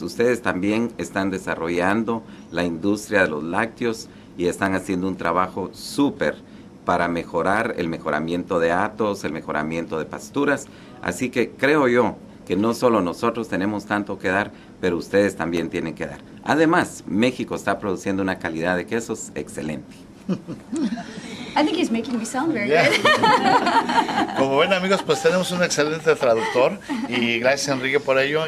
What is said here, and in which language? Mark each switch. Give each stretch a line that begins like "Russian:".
Spanish: Ustedes también están desarrollando la industria de los lácteos y están haciendo un trabajo súper para mejorar el mejoramiento de hatos, el mejoramiento de pasturas. Así que creo yo que no solo nosotros tenemos tanto que dar, pero ustedes también tienen que dar. Además, México está produciendo una calidad de quesos excelente.
English: I think he's making me sound very good.
Spanish: Como ven, amigos, pues tenemos un excelente traductor y gracias, Enrique, por ello.